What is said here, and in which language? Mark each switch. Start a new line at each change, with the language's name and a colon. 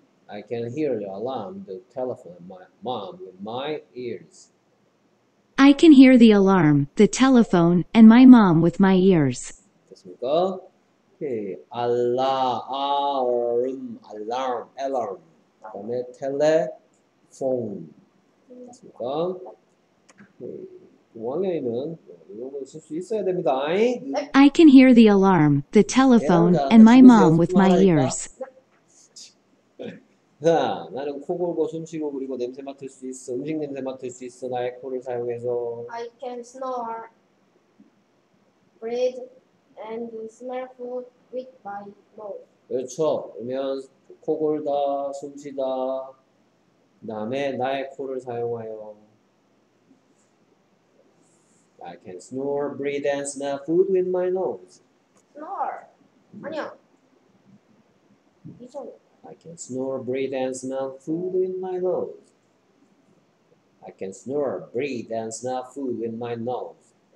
English: I can hear the alarm, the telephone, my mom, with my ears. I can hear the alarm, the telephone, and my mom with my ears.
Korean: 됐습니까? 알라아음 알람 알람 그다음에 텔레폰 맞습니다. 공항에는 이런 걸 쓸 수 있어야 됩니다.
English: I can hear the alarm, the telephone, and my mom with my ears.
Korean: 자, 나는 코 골고 숨 쉬고 그리고 냄새 맡을 수 있어. 음식 냄새 맡을 수 있어. 나의 코를 사용해서.
English: I can snore, breathe, and smell food with my nose.
Korean: 그렇죠. 그러면 코 골다, 숨 쉬다. 그다음에 나의 코를 사용하여.
English: I can snore, breathe, and smell food with my nose.
Korean: Snore? 아니야. 이상해.
English: I can snore, breathe, and smell food with my nose. I can snore, breathe, and smell food with my nose.